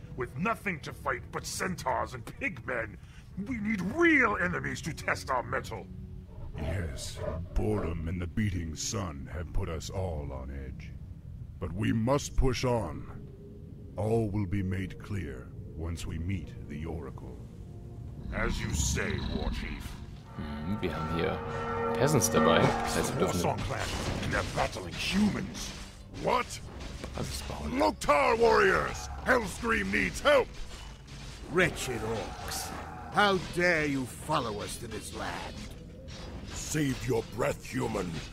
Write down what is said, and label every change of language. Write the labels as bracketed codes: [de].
[en] With nothing to fight but centaurs and pigmen, we need real enemies to test our mettle. Yes, boredom and the beating sun have put us all on edge. But we must push on. All will be made clear once we meet the Oracle. As you say, Warchief. [de] Wir haben hier Peasants dabei. Das heißt, wir dürfen... [en] And they're battling humans. What? [de] Basisbauen. [en] Loktar Warriors! Hellscream needs help! Wretched Orcs, how dare you follow us to this land? Save your breath, human.